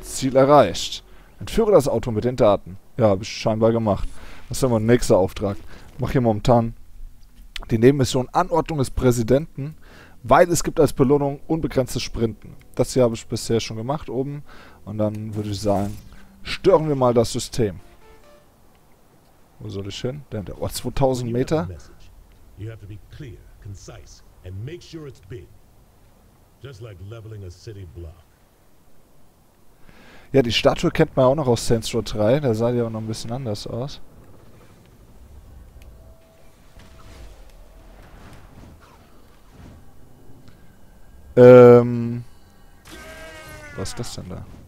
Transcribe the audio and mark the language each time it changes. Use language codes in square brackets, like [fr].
[de] Ziel erreicht. Entführe das Auto mit den Daten. Ja, habe ich scheinbar gemacht. Was haben wir? Nächster Auftrag. Mach hier momentan die Nebenmission Anordnung des Präsidenten, weil es gibt als Belohnung unbegrenzte Sprinten. Das hier habe ich bisher schon gemacht oben. Und dann würde ich sagen, stören wir mal das System. Wo soll ich hin? Der hat 2000 Meter. [en] You have to be clear, concise and make sure it's big. Just like leveling a city block. [de] Ja, die Statue kennt man auch noch aus Saints Row 3. Da sah die auch noch ein bisschen anders aus. Was ist das denn da?